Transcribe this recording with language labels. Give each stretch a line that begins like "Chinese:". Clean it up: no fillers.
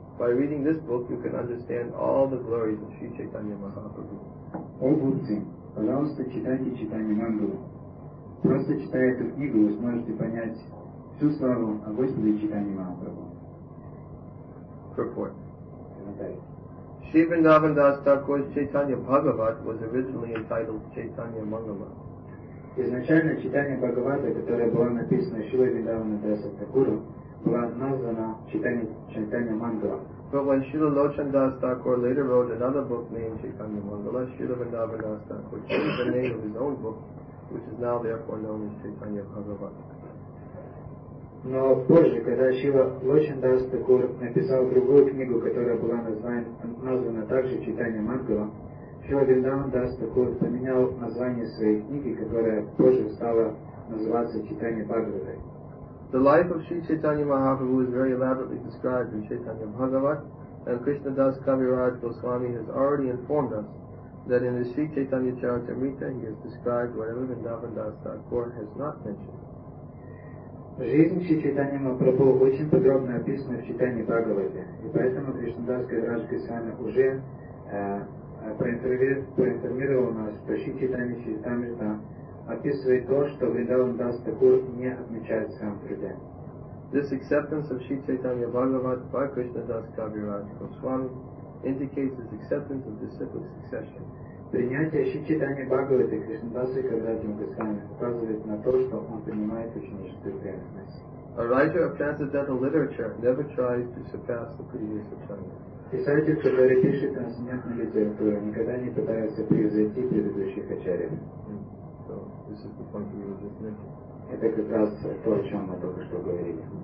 English: By reading this book you can understand all the glories of Sri Chaitanya Mahaprabhu.
Russian: O buddhi, пожалуйста, читайте Chaitanya Mangala. Просто читая эту книгу вы сможете понять всю славу о Господе Чайтанья Махапрабху.
English: Purport. Shri Vrindavan Das Thakur's Chaitanya Bhagavat was originally entitled Chaitanya Mangala.
Russian: Изначально Chaitanya Bhagavata, которое было написано Шрила Вриндавана Даса Такуру, было названо Chaitanya Mangala.
English: But when Srila Lochan Das Thakur later wrote another book named Chaitanya Mangala, Srila Vrindavan Das Thakur changed the name of his own book, which is now therefore known as Chaitanya Bhagavat.
Russian: Но позже, когда Шрила Лочандас Такур написал другую книгу, которая была названа также Чайтанья Мангала, Шрила Вриндавандас Такур поменял название своей книги, которая позже стала называться Чайтанья Бхагаватой.
English: The life of Sri Chaitanya Mahaprabhu is very elaborately described in Chaitanya Bhagavat, and Krishna Das Kaviraj Goswami has already informed us that in his Sri Chaitanya Charitamrita he has described whatever Vrindavandas Thakur has not mentioned.
Russian: Жизнь Шри Чайтанья Махапрабху очень подробно описана в Чайтанье Бхагавате, и поэтому Кришна Дас Кавираджа Госвами уже проинформировал нас, что Шри Чайтанья Чаритамрита описывает то, что Вриндаван Дас Такур не отмечает в своем труде.
English: This acceptance of Sri Chaitanya Bhagavat by Krishna Das Kaviraja Goswami indicates his acceptance of the cyclic succession.
Russian: Принятие Шри Чайтанья Бхагаваты Кришнадасой Кавираджем Госвами указывает на то, что он принимает ученическую преданность.
English: A writer of transcendental literature never tries to surpass the previous acharya.
Russian: Писатель, который пишет трансцендентную литературу, никогда не пытается превзойти предыдущих ачарьев.
English: So, this is the point we were just mentioning.
Russian: Это как раз то, о чем мы только что говорили.